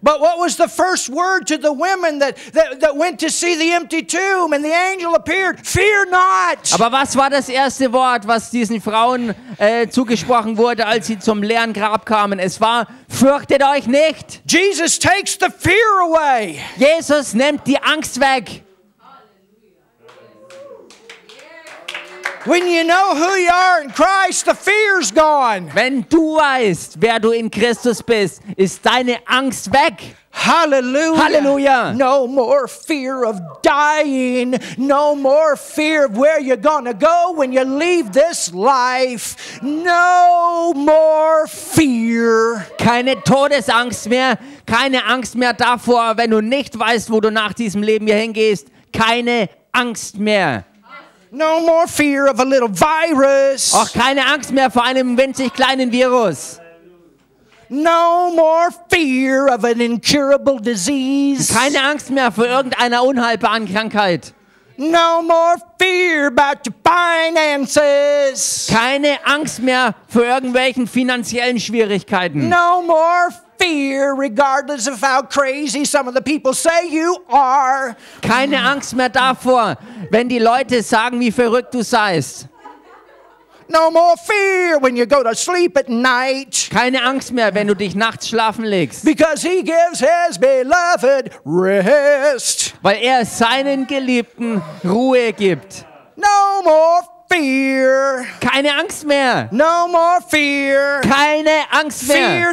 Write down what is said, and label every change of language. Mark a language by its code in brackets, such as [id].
[en] But what was the first word to the women that went to see the empty tomb and the angel appeared? Fear not. [de] Aber was war das erste Wort, was diesen Frauen zugesprochen wurde, als sie zum leeren Grab kamen? Es war: Fürchtet euch nicht. [en] Jesus takes the fear away. [de] Jesus nimmt die Angst weg. [en] When you know who you are in Christ, the fear's gone. [de] Wenn du weißt, wer du in Christus bist, ist deine Angst weg. Hallelujah. Hallelujah. [en] No more fear of dying. No more fear of where you're gonna go when you leave this life. No more fear. [de] Keine Todesangst mehr. Keine Angst mehr davor, wenn du nicht weißt, wo du nach diesem Leben hier hingehst. Keine Angst mehr. [en] No more fear of a little virus. [de] Auch keine Angst mehr vor einem winzig kleinen Virus. [en] No more fear of an incurable disease. [de] Keine Angst mehr vor irgendeiner unheilbaren Krankheit. [en] No more fear about your finances. [de] Keine Angst mehr vor irgendwelchen finanziellen Schwierigkeiten. [en] No more fear, regardless of how crazy some of the people say you are. [de] Keine Angst mehr davor, wenn die Leute sagen, wie verrückt du seist. [en] No more fear when you go to sleep at night. [de] Keine Angst mehr, wenn du dich nachts schlafen legst. [en] Because he gives his beloved rest. [de] Weil er seinen Geliebten Ruhe gibt. [en] No more fear. [de] Keine Angst mehr. [en] No more fear. [de] Keine Angst mehr.